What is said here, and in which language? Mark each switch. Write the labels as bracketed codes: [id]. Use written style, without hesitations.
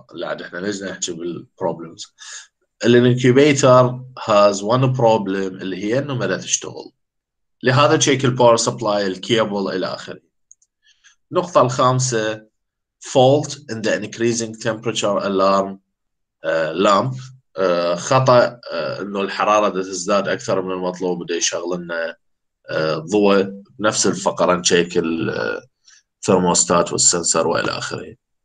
[ar] لا احنا ليش نحكي بالproblems. [en] The incubator has one problem [ar] اللي هي انه ما تشتغل. لهذا تشيك الباور سبلاي الكيبل الى اخره. النقطة الخامسة [en] fault in the increasing temperature alarm lamp. [ar] خطأ انه الحرارة تزداد اكثر من المطلوب بده يشغل لنا ضوء. نفس الفقرة تشيك الثرموستات والسنسر والى اخره.